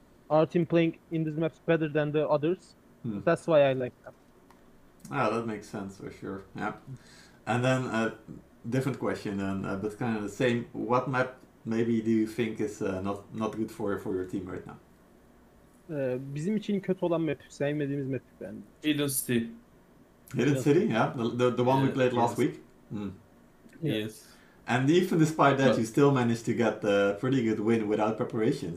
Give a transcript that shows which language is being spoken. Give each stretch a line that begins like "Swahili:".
English: Our team playing in these maps better than the others. That's why I like that. Ah, that makes sense for sure. Yeah, and then different question, and but kind of the same. What map maybe do you think is not good for your team right now?
Turkish: Bizim için kötü olan map, sevmediğimiz map ben.
English: Hidden City. Hidden City, yeah, the one we played last week. Yes. And even despite that, you still managed to get a pretty good win without preparation.